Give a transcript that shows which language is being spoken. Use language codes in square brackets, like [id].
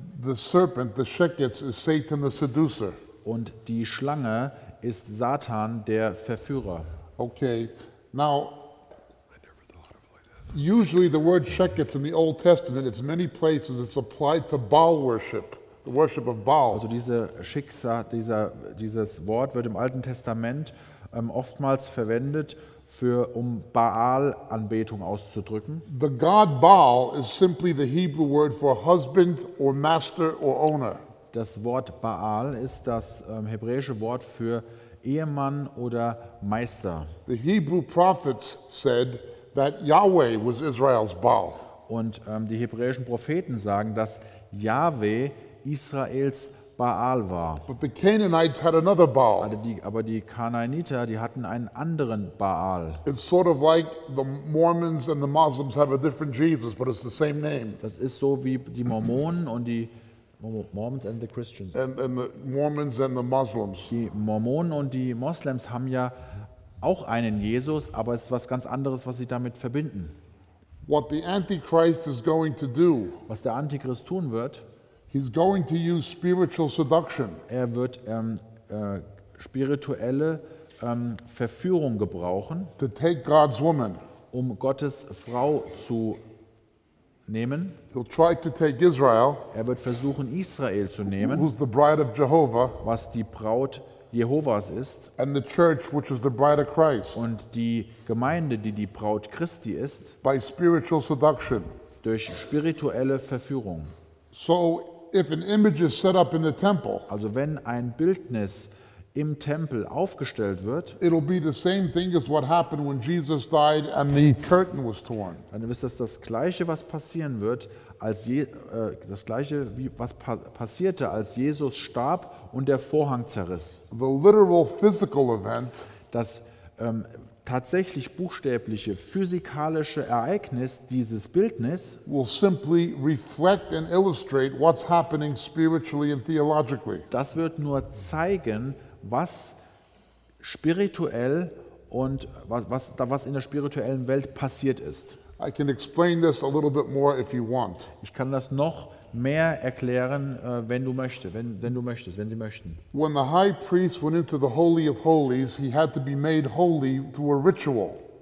[en] The serpent, the sheketz, is Satan, the seducer. [de] Und die Schlange ist Satan, der Verführer. [en] Okay, now, usually the word sheketz in the Old Testament, it's many places, it's applied to Baal worship, the worship of Baal. [de] Also dieses Wort wird im Alten Testament oftmals verwendet, um Baal-Anbetung auszudrücken. [en] The god Baal is simply the Hebrew word for husband or master or owner. [de] Das Wort Baal ist das hebräische Wort für Ehemann oder Meister. [en] The Hebrew prophets said that Yahweh was Israel's Baal. [de] Und die hebräischen Propheten sagen, dass Yahweh Israels Baal war. [en] But the Canaanites had another Baal. [de] Aber die Kanaaniter, die hatten einen anderen Baal. [en] It's sort of like the Mormons and the Muslims have a different Jesus, but it's the same name. [de] Das ist so wie die Mormonen und die [en] Mormons and the Christians. And the Mormons and the Muslims. [de] Die Mormonen und die Moslems haben ja auch einen Jesus, aber es ist was ganz anderes, was sie damit verbinden. [en] What the Antichrist is going to do? [de] Was der Antichrist tun wird? [en] He's going to use spiritual seduction. [de] Er wird spirituelle Verführung gebrauchen, [en] to take God's woman. [de] Um Gottes Frau zu nehmen. [en] He'll try to take Israel. [de] Er wird versuchen, Israel zu nehmen, [en] who's the bride of Jehovah, [de] was die Braut Jehovas ist, [en] and the church, which is the bride of Christ, [de] und die Gemeinde, die die Braut Christi ist, [en] by spiritual seduction. [de] Durch spirituelle Verführung. [en] So, if an image is set up in the temple, [de] also wenn ein Bildnis im Tempel aufgestellt wird, [en] it'll be the same thing as what happened when Jesus died and the curtain was torn. [de] Dann ist das Gleiche, was passieren wird, passierte, als Jesus starb und der Vorhang zerriss. [en] The literal physical event, [de] das tatsächlich buchstäbliche physikalische Ereignis dieses Bildnis, [en] will simply reflect and illustrate what's happening spiritually and theologically. [de] Das wird nur zeigen, was spirituell und was in der spirituellen Welt passiert ist. [en] I can explain this a little bit more if you want. [de] Ich kann das noch mehr erklären, wenn Sie möchten. [en] When the high priest went into the Holy of Holies, he had to be made holy through a ritual.